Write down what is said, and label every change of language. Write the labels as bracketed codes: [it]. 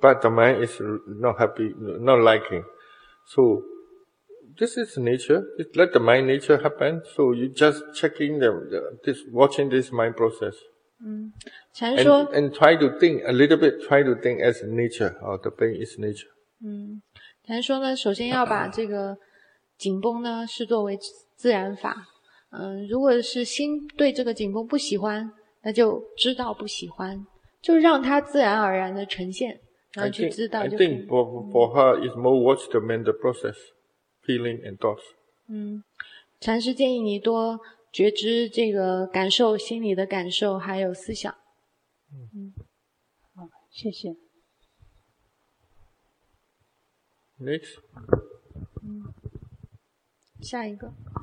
[en] But the mind is not happy, not liking. So this is nature. It let the mind nature happen. So you just checking watching this mind process. And try to think a little bit, try to think as nature, or the pain is nature. [zh] 禅说呢，首先要把这个紧绷呢视作为自然法。如果是心对这个紧绷不喜欢，那就知道不喜欢，就让它自然而然的呈现，然后去知道就可以。 [en] I think for her is more watch the mental process, feeling and thoughts. [zh] 禅师建议你多觉知这个感受，心里的感受还有思想。好，谢谢。 [en] Next. [zh] 下一个。